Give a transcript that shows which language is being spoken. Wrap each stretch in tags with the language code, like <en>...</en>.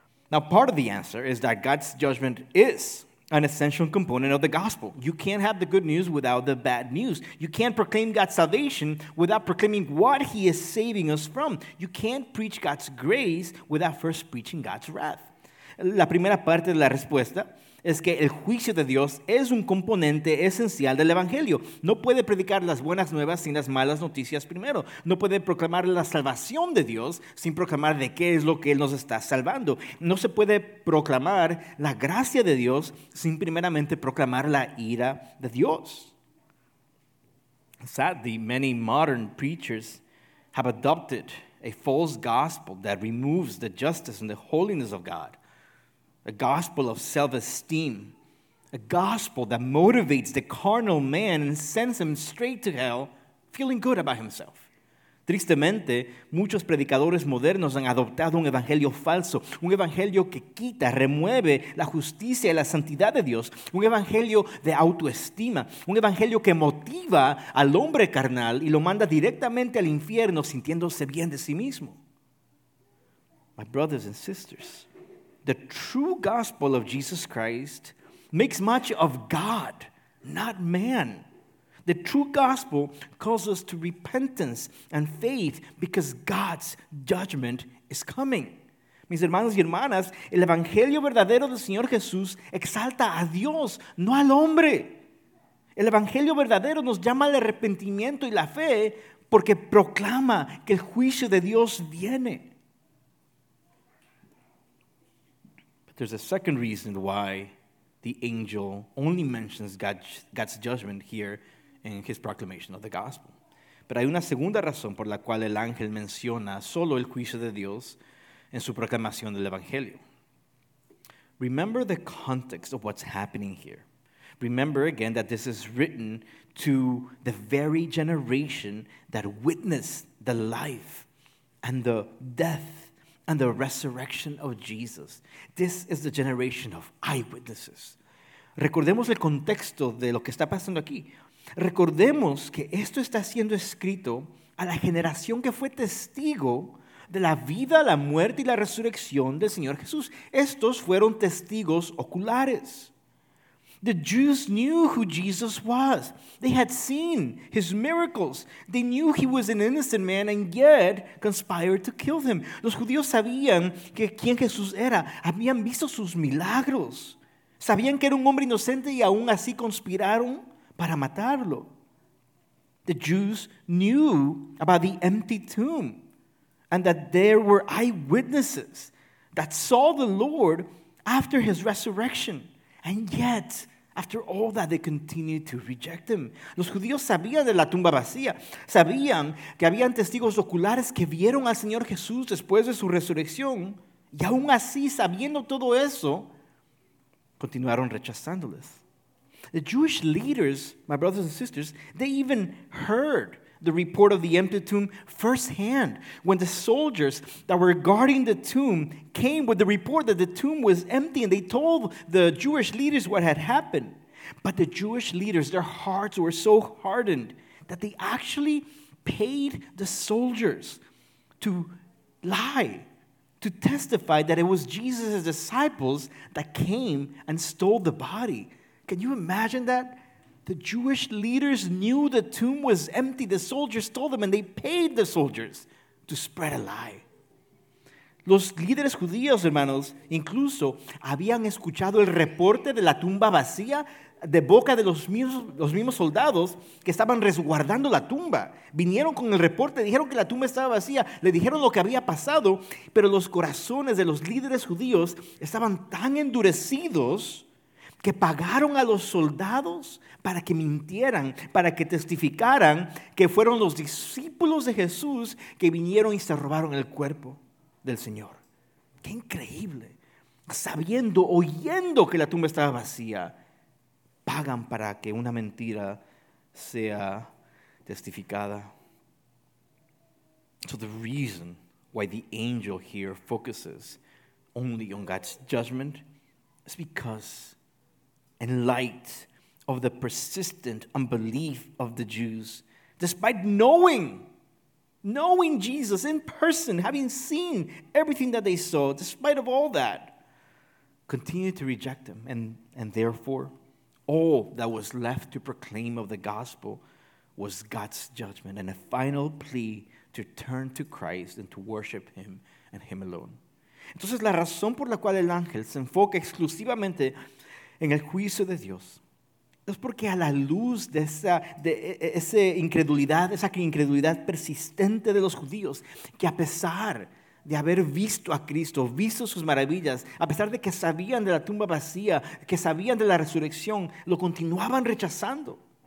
<en>Now, part of the answer is that God's judgment is an essential component of the gospel. You can't have the good news without the bad news. You can't proclaim God's salvation without proclaiming what he is saving us from. You can't preach God's grace without first preaching God's wrath.</en> <es>La primera parte de la respuesta es que el juicio de Dios es un componente esencial del evangelio. No puede predicar las buenas nuevas sin las malas noticias primero. No puede proclamar la salvación de Dios sin proclamar de qué es lo que Él nos está salvando. No se puede proclamar la gracia de Dios sin primeramente proclamar la ira de Dios.</es> <en>Sadly, many modern preachers have adopted a false gospel that removes the justice and the holiness of God. A gospel of self-esteem, a gospel that motivates the carnal man and sends him straight to hell, feeling good about himself.</en> <es>Tristemente, muchos predicadores modernos han adoptado un evangelio falso, un evangelio que quita, remueve la justicia y la santidad de Dios, un evangelio de autoestima, un evangelio que motiva al hombre carnal y lo manda directamente al infierno sintiéndose bien de sí mismo.</es> <en>My brothers and sisters, the true gospel of Jesus Christ makes much of God, not man. The true gospel calls us to repentance and faith because God's judgment is coming.</en> <es>Mis hermanos y hermanas, el evangelio verdadero del Señor Jesús exalta a Dios, no al hombre. El evangelio verdadero nos llama al arrepentimiento y la fe porque proclama que el juicio de Dios viene.</es> <en>There's a second reason why the angel only mentions God's judgment here in his proclamation of the gospel.</en> <es>Pero hay una segunda razón por la cual el ángel menciona solo el juicio de Dios en su proclamación del evangelio.</es> <en>Remember the context of what's happening here. Remember again that this is written to the very generation that witnessed the life and the death and the resurrection of Jesus. This is the generation of eyewitnesses.</en> <es>Recordemos el contexto de lo que está pasando aquí. Recordemos que esto está siendo escrito a la generación que fue testigo de la vida, la muerte y la resurrección del Señor Jesús. Estos fueron testigos oculares.</es> <en>The Jews knew who Jesus was. They had seen his miracles. They knew he was an innocent man and yet conspired to kill him.</en> <es>Los judíos sabían que quién Jesús era. Habían visto sus milagros. Sabían que era un hombre inocente y aún así conspiraron para matarlo.</es> <en>The Jews knew about the empty tomb and that there were eyewitnesses that saw the Lord after his resurrection. And yet, after all that, they continued to reject him.</en> <es>Los judíos sabían de la tumba vacía. Sabían que habían testigos oculares que vieron al Señor Jesús después de su resurrección. Y aún así, sabiendo todo eso, continuaron rechazándoles.</es> <en>The Jewish leaders, my brothers and sisters, they even heard the report of the empty tomb firsthand when the soldiers that were guarding the tomb came with the report that the tomb was empty and they told the Jewish leaders what had happened. But the Jewish leaders, their hearts were so hardened that they actually paid the soldiers to lie to testify that it was Jesus' disciples that came and stole the body. Can you imagine that? The Jewish leaders knew the tomb was empty. The soldiers stole them, and they paid the soldiers to spread a lie.</en> <es>Los líderes judíos, hermanos, incluso habían escuchado el reporte de la tumba vacía de boca de los mismos soldados que estaban resguardando la tumba. Vinieron con el reporte, dijeron que la tumba estaba vacía, le dijeron lo que había pasado, pero los corazones de los líderes judíos estaban tan endurecidos que pagaron a los soldados para que mintieran, para que testificaran que fueron los discípulos de Jesús que vinieron y se robaron el cuerpo del Señor. ¡Qué increíble! Sabiendo, oyendo que la tumba estaba vacía, pagan para que una mentira sea testificada.</es> <en>So the reason why the angel here focuses only on God's judgment is because in light of the persistent unbelief of the Jews, despite knowing Jesus in person, having seen everything that they saw, despite of all that, continued to reject him. And therefore, all that was left to proclaim of the gospel was God's judgment and a final plea to turn to Christ and to worship him and him alone.</en> <es>Entonces, la razón por la cual el ángel se enfoca exclusivamente en el juicio de Dios es porque a la luz de esa incredulidad persistente de los judíos, que a pesar de haber visto a Cristo, visto sus maravillas, a pesar de que sabían de la tumba vacía, que sabían de la resurrección, lo continuaban rechazando.</es>